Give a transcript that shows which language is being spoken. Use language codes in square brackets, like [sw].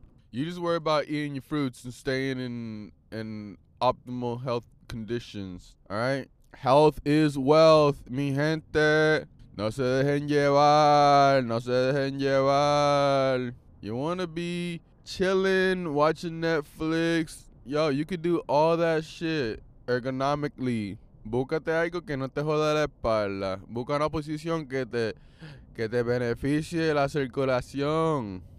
[en] You just worry about eating your fruits and staying in optimal health conditions, all right? Health is wealth, [es] mi gente. No se dejen llevar, no se dejen llevar. [en] You wanna be chilling, watching Netflix. Yo, you could do all that shit ergonomically. [es] Búscate algo que no te joda la espalda. Busca una posición que te beneficie la circulación.